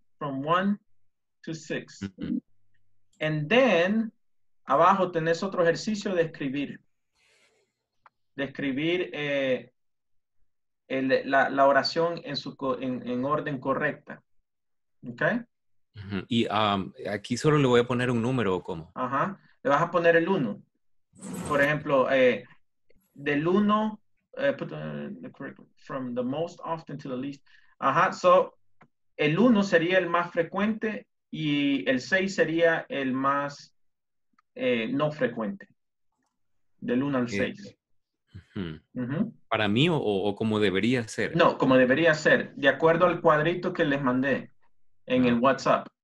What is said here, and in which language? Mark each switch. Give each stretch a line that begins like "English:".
English: From 1 to 6. Mm-hmm. And then,
Spanish: abajo tenés otro ejercicio de escribir. De escribir la oración en orden correcta. Okay. Y aquí solo le voy a poner un número o cómo. Ajá. Le vas a poner el 1. Por ejemplo, del 1,
English: put the correct, from the most often to the least.
Spanish: Ajá. So, el 1 sería el más frecuente y el 6 sería el más no frecuente. Del 1 al 6. ¿Para mí o como debería ser? No, como debería ser. De acuerdo al cuadrito que les mandé en el WhatsApp.